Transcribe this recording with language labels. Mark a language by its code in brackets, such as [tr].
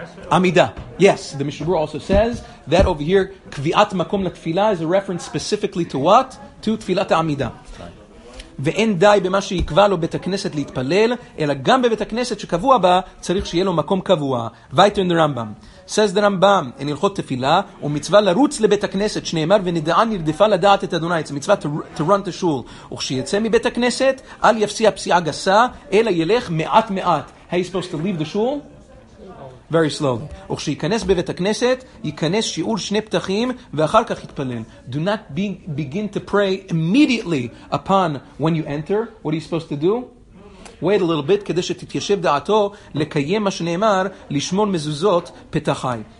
[en] Amida. Yes, the Mishneh Berurah also says that over here, kviat makom latfila is a reference specifically to what? To tfilat amida. [he] ואין די במה שיקבע לו בית הכנסת להתפלל, אלא גם בבית הכנסת שקבוע בה, צריך שיהיה לו מקום קבוע. ויתר דרמב״ם. [en] Says the Rambam, in Hilchot Tefillah, [he] ומצווה לרוץ לבית הכנסת, שנאמר, ונדעה נרדפה לדעת את אדוני, [en] it's a mitzvah to run to shul. [he] וכשיצא מבית הכנסת, אל יפסיע פסיעה גסה, אלא ילך מעט מעט. [en] How are you supposed to leave the shul? Very slowly. [he] וכשיכנס בבית הכנסת, ייכנס שיעור שני פתחים, ואחר כך יתפלל. [en] Do not begin to pray immediately upon when you enter. What are you supposed to do? Wait a little bit, [he] כדי שתתיישב דעתו, לקיים מה שנאמר, לשמור מזוזות פתחי.